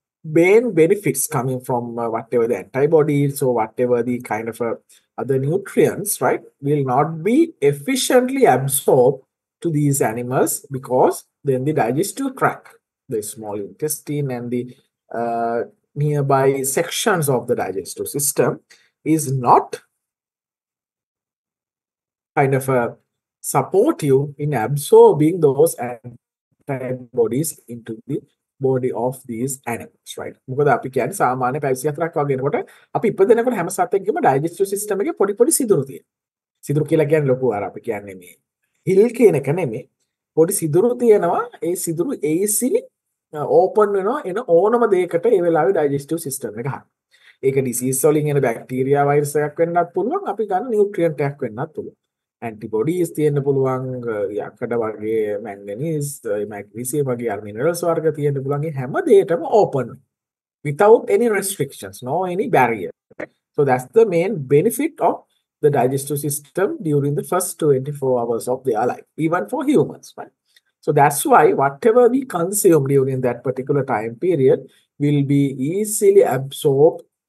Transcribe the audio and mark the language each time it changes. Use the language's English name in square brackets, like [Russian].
[English] main benefits coming from whatever the antibodies or whatever the kind of other nutrients, right, will not be efficiently absorbed to these animals, because then the digestive tract, the small intestine and the nearby sections of the digestive system is not kind of support you in absorbing those antibodies into the body of these animals, right? [Sinhala] මොකද අපි කියන්නේ සාමාන්‍ය පැවිසි හතරක් වගේ එනකොට අපි ඉපදෙනකොට හැම සතෙක්ගේම digestive system එකේ පොඩි පොඩි සිදුරු තියෙනවා. සිදුරු කියලා කියන්නේ ලොකු අර අපි කියන්නේ මේ හිල් කියන එක නෙමෙයි. පොඩි සිදුරු තියෙනවා. ඒ සිදුරු ඒසිලි ඕපන් වෙනවා එන ඕනම දෙයකට ඒ වෙලාවේ digestive system එක හරහා. ඒක ඩිසීස් වලින් එන බැක්ටීරියා වෛරස් එකක් වෙන්නත් පුළුවන්. අපි ගන්න නියුට්‍රියන්ට් එකක් වෙන්නත් පුළුවන්. Antibodies තියෙන්න පුළුවන් යකඩ වගේ මැන්ගනීස් මැග්නීසියම් වගේ අර මිනරල්ස් වර්ග තියෙන්න පුළුවන් ඒ හැම දෙයකටම open [English] without any restrictions no any barrier so that's the main benefit of the digestive system during the first 24 hours of their life even for humans right so that's why whatever we consume during that particular time period will be easily absorbed